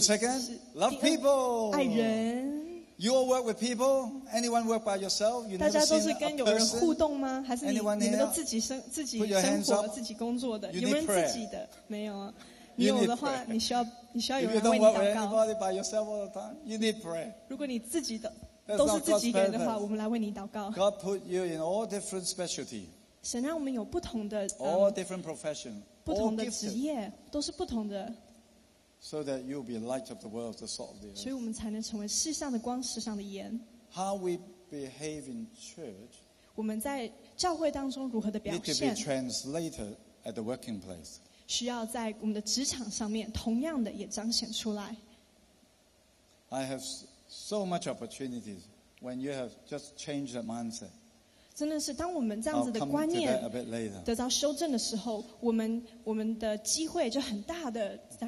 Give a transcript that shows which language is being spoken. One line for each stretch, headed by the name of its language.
English: The second, love people.
Chinese: 爱人。
English: You all work with people? Anyone work by yourself? You
Chinese: 大家都是跟有人互动吗？还是
English: Anyone
Chinese: 你们都自己生活、自己工作的？有人自己的？没有啊。
English: You、
Chinese: 你有的话，你需要有人为你祷告。
English: If you don't work with anybody by yourself all the time, you need prayer.
Chinese: 如果你自己的都是自己人的话，我们来为你祷告。
English: God put you in all different specialty.
Chinese: 神让我们有不同的
English: all different profession,
Chinese: 不同的职业都是不同的。
English: So that you'll be light of the world, the salt of the earth.
Chinese: 所以我们才能成为世上的光，世上的盐。
English: How we behave in church?
Chinese: 我们在教会当中如何的表现
English: ？Need to be translated at the working place.
Chinese: 需要在我们的职场上面，同样的也彰显出来。
English: I have so much opportunities when you have just changed that mindset.
Chinese: 真的是，当我们这样子的观念得到修正的时候，我们的机会就很大的。